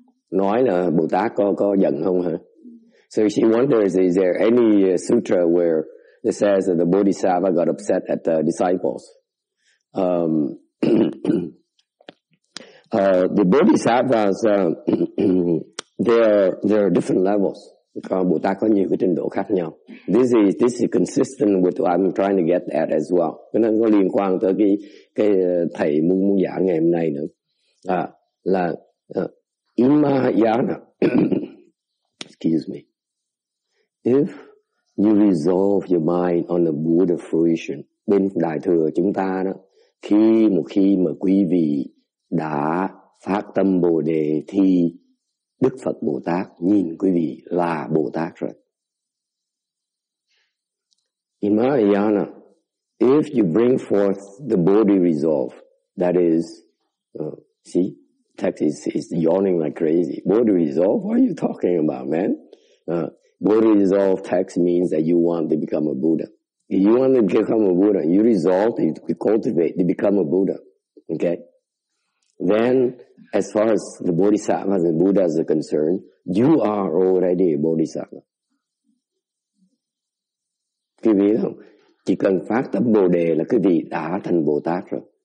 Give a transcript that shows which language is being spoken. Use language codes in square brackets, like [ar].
[vi] Nói là Bồ Tát có giận không hả? [en] So she wonders, is there any sutra where it says that the Bodhisattva got upset at the disciples? The Bodhisattvas, there are different levels. [vi] Bồ Tát có nhiều cái trình độ khác nhau. [en] This is consistent with what I'm trying to get at as well. [vi] Cái này có liên quan tới cái thầy muốn giảng ngày hôm nay nữa. [en] In Mahayana, excuse me, if you resolve your mind on the Buddha fruition, [vi] bên đại thừa chúng ta đó, khi mà quý vị đã phát tâm Bồ Đề thì Đức Phật Bồ Tát nhìn quý vị là Bồ Tát rồi. [en] In Mahayana, if you bring forth the Bodhi resolve, that is, see, text is yawning like crazy. Bodhi resolve? What are you talking about, man? Bodhi resolve text means that you want to become a Buddha. If you want to become a Buddha, you resolve to cultivate to become a Buddha. Okay? Then, as far as the Bodhisattvas and Buddhas are concerned, you are already a Bodhisattva. [vi] Quý vị không? Chỉ cần phát tâm Bồ Đề là quý vị đã thành Bồ Tát rồi.